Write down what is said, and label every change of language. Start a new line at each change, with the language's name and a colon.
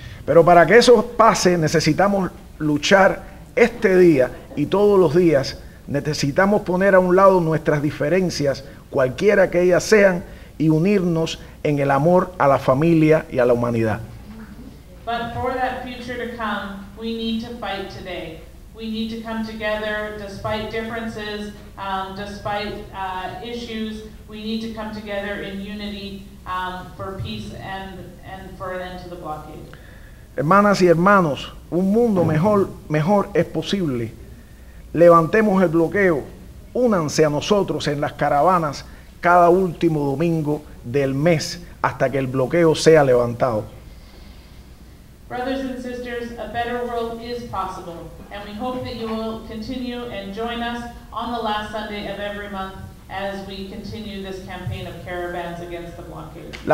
Spanish: Pero para que eso pase necesitamos luchar este día y todos los días, necesitamos poner a un lado nuestras diferencias, cualquiera que ellas sean, y unirnos en el amor a la familia y a la humanidad.
English: But for that future to come, we need to fight today. We need to come together despite differences, despite issues. We need to come together in unity for peace and for an end to the blockade.
Spanish: Hermanas y hermanos, un mundo mejor es posible. Levantemos el bloqueo. Únanse a nosotros en las caravanas cada último domingo del mes hasta que el bloqueo sea levantado.
English: Brothers and sisters, a better world is possible, and we hope that you will continue and join us on the last Sunday of every month as we continue this campaign of caravans against the blockade.